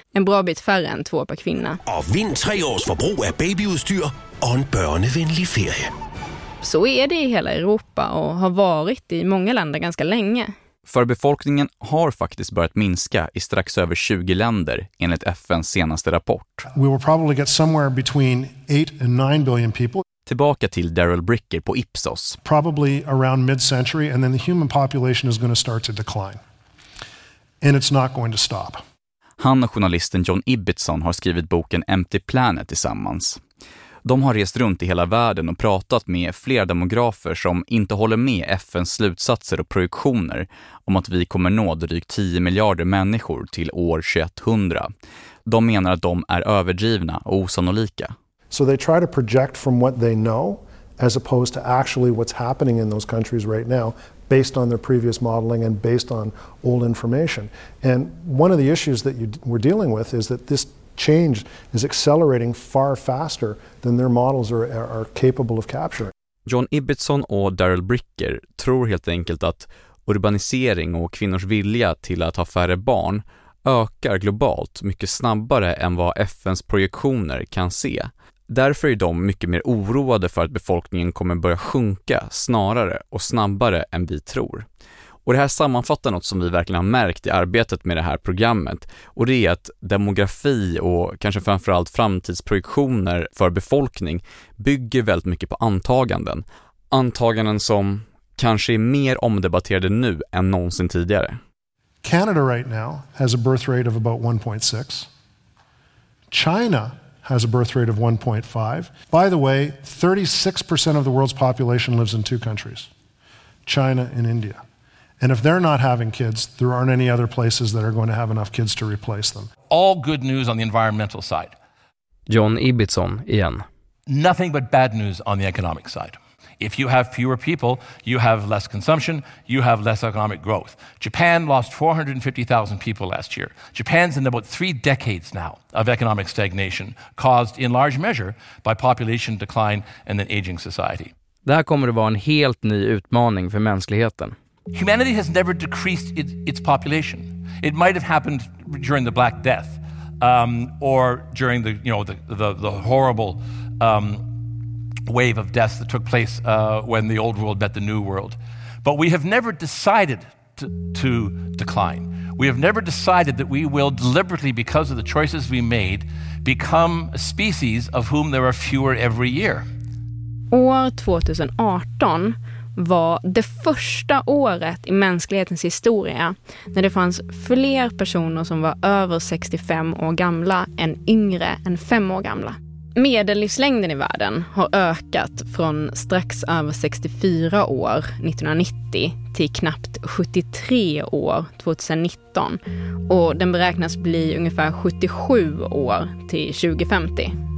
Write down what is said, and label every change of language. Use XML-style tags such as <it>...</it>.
<sv>En bra bit färre än två per kvinna. Och vinn tre års förbruk av babyutstyr och en barnvänlig ferie. Så är det i hela Europa och har varit i många länder ganska länge. För befolkningen har faktiskt börjat minska i strax över 20 länder enligt FNs senaste rapport.</sv> <en>We will probably get somewhere between 8 and 9 billion people.</en> <sv>Tillbaka till Daryl Bricker på Ipsos.</sv> <en>Probably around mid-century, and then the human population is going to start to decline. And it's not going to stop.</en> <sv>Han och journalisten John Ibbitson har skrivit boken Empty Planet tillsammans. De har rest runt i hela världen och pratat med flera demografer som inte håller med FNs slutsatser och projektioner om att vi kommer nå drygt 10 miljarder människor till år 2100. De menar att de är överdrivna och osannolika.</sv> <en>So they try to project from what they know as opposed to actually what's happening in those countries right now based on their previous modeling and based on old information. And one of the issues that we're dealing with is that this change is accelerating far faster than their models are capable of capturing.</en> <sv>John Ibbitson och Daryl Bricker tror helt enkelt att urbanisering och kvinnors vilja till att ha färre barn ökar globalt mycket snabbare än vad FNs projektioner kan se. Därför är de mycket mer oroade för att befolkningen kommer börja sjunka snarare och snabbare än vi tror. Och det här sammanfattar något som vi verkligen har märkt i arbetet med det här programmet, och det är att demografi och kanske framförallt framtidsprojektioner för befolkning bygger väldigt mycket på antaganden. Antaganden som kanske är mer omdebatterade nu än någonsin tidigare.</sv> <en>Canada right now has a birth rate of about 1.6. China has a birth rate of 1.5. By the way, 36% of the world's population lives in two countries, China and India. And if they're not having kids, there aren't any other places that are going to have enough kids to replace them. All good news on the environmental side.</en> <sv>John Ibbitson igen.</sv> <en>Nothing but bad news on the economic side. If you have fewer people, you have less consumption, you have less economic growth. Japan lost 450,000 people last year. Japan's in about three decades now of economic stagnation, caused in large measure by population decline and an aging society.</en> <sv>Det här kommer att vara en helt ny utmaning för mänskligheten.</sv> <en>Humanity has never decreased its population. It might have happened during the Black Death or during the horrible wave of death that took place when the old world met the new world. But we have never decided to decline. We have never decided that we will deliberately, because of the choices we made, become a species of whom there are fewer every year.</en> <sv>År 2018 var det första året i mänsklighetens historia när det fanns fler personer som var över 65 år gamla än yngre än 5 år gamla. Medellivslängden i världen har ökat från strax över 64 år 1990 till knappt 73 år 2019, och den beräknas bli ungefär 77 år till 2050.</sv>